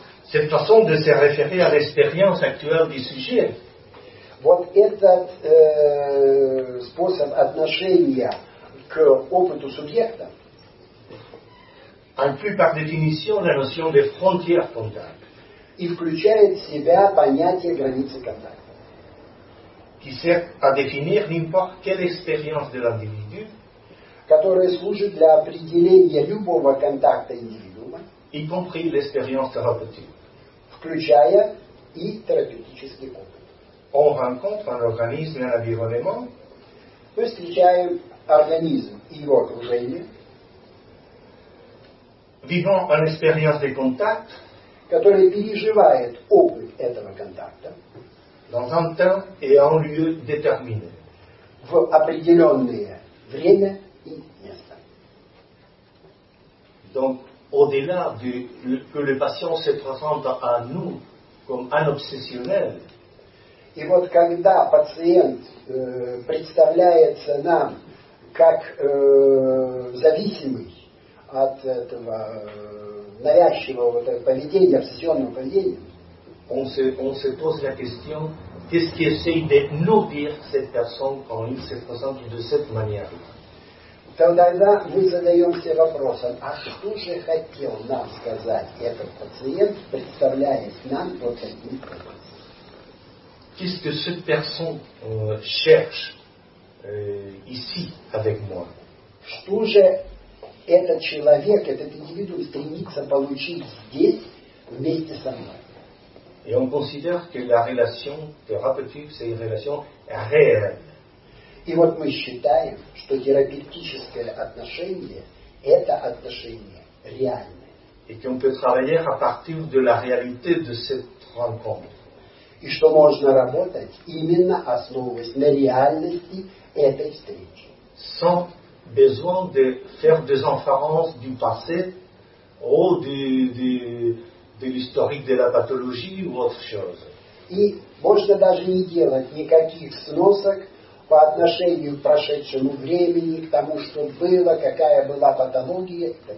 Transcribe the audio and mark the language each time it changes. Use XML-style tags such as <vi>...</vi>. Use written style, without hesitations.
<fr>Cette façon de se référer à l'expérience actuelle du sujet.</fr> <ru>Вот этот способ отношения к опыту субъекта.</ru> <fr>Inclut par définition la notion de frontière contact.</fr> <ru>И включает в себя понятие границы контакта.</ru> <fr>Qui sert à définir n'importe quelle expérience de l'individu.</fr> <ru>Которая служит для определения любого контакта индивидуума.</ru> <fr>Y compris l'expérience thérapeutique.</fr> <ru>Включая и терапевтический опыт.</ru> <fr>On rencontre un organisme et un environnement.</fr> <ru>Мы встречаем организм и его окружение.</ru> <fr>Vivant une expérience de contact.</fr> <ru>Который переживает опыт этого контакта.</ru> <fr>Dans un temps et un lieu déterminé.</fr> <ru>В определенное время и место.</ru> <fr>Donc, au-delà du que le patient se présente à nous comme un obsessionnel.</fr> <ru>И вот когда пациент представляется нам как зависимый от этого навязчивого вот этого поведения, обсессионного поведения,</ru> <fr>on se pose la question, qu'est-ce qui essaie de nous dire cette personne quand il se présente de cette manière?</fr> <ru>Тогда мы задаемся вопросом, а что же хотел нам сказать этот пациент, представляясь нам вот таким образом?</ru> <fr>Qu'est-ce que cette personne cherche ici avec moi?</fr> <ru>Что же этот человек, этот индивидуум стремится получить здесь вместе со мной?</ru> <fr>Et on considère que la relation thérapeutique, c'est une relation réelle.</fr> <ru>И вот мы считаем, что терапевтическое отношение – это отношение реальное.</ru> <fr>Et qu'on peut travailler à partir de la réalité de cette rencontre.</fr> <ru>И что можно работать именно основываясь на реальности этой встречи.</ru> <fr>Sans besoin de faire des inférences du passé ou de l'historique de la pathologie ou autre chose.</fr> <ru>И можно даже не делать никаких сносок по отношению к прошедшему времени, к тому, что было, какая была патология.</ru>